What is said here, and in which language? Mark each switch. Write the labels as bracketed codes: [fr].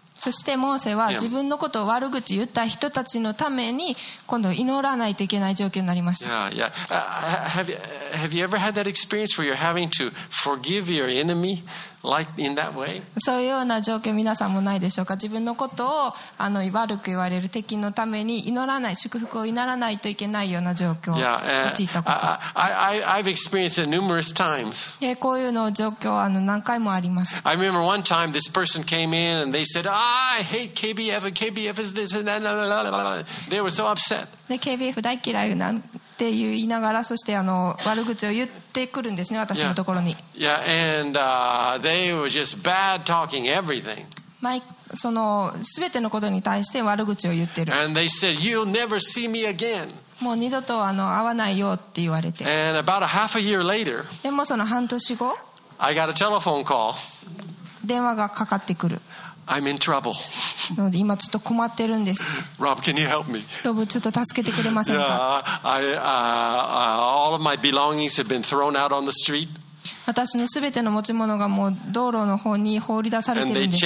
[ja] そしてモーセは自分のことを悪口言った人たちのために今度祈らないといけない状況になりました [en] yeah, yeah. Have, you, have you ever had that experience where you're having to forgive your enemy like in that way? [ja] そういうような状況皆さんもないでしょうか。自分のことを悪く言われる敵のために祈らない、祝福を祈らないといけないような状況を陥ったこと。 [en] I've experienced it numerous times. [ja] こういうの状況は何回もあります。 [en] I remember one time this person came in and they said, I hate KBF, KBF is this and that, blah, blah, blah, blah. They were so upset. [ja] で、KBF 大嫌いなんって言いながら、そして悪口を言ってくるんですね、私のところに。 [en] Yeah, yeah. And, they were just bad talking everything. [ja] その全てのことに対して悪口を言ってる。 [en] And they said, you'll never see me again. [ja] もう二度と会わないよって言われて。 [en] And about a half a year later, [ja] でもその半年後、 [en] I got a telephone call. [ja] 電話がかかってくる。 [en] I'm in trouble. [ja] 今ちょっと困ってるんです。 [en] Rob, can you help me? [ja] ロブ、ちょっと助けてくれませんか？ [en] all of my belongings have been thrown out on the street. [ja] 私のすべての持ち物がもう道路の方に放り出されてるんです。